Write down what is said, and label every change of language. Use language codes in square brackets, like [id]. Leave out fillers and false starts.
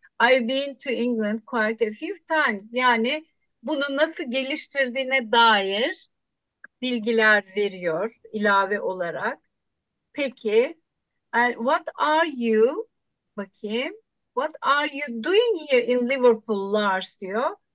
[en] I've been to England quite a few times. [tr] Yani bunu nasıl geliştirdiğine dair bilgiler veriyor ilave olarak. Peki, [en] what are you, [tr] bakayım, [en] what are you doing here in Liverpool, Lars diyor.